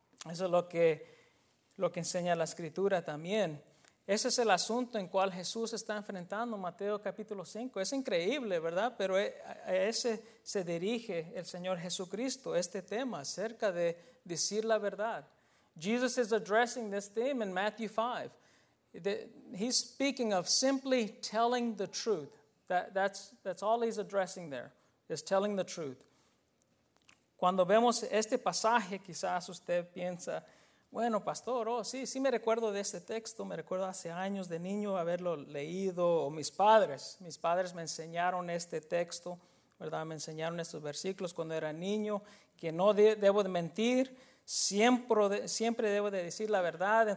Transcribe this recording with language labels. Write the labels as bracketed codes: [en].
[es] Eso es lo que enseña la Escritura también. Ese es el asunto en cual Jesús está enfrentando Mateo capítulo 5. Es increíble, ¿verdad? Pero a ese se dirige el Señor Jesucristo, este tema acerca de decir la verdad. [en] Jesus is addressing this theme in Matthew 5. He's speaking of simply telling the truth. That's all he's addressing there, is telling the truth. [es] Cuando vemos este pasaje, quizás usted piensa, bueno, pastor, oh, sí, sí me recuerdo de este texto, me recuerdo hace años de niño haberlo leído, o mis padres me enseñaron este texto, ¿verdad? Me enseñaron estos versículos cuando era niño, que no debo de mentir, siempre debo de decir la verdad.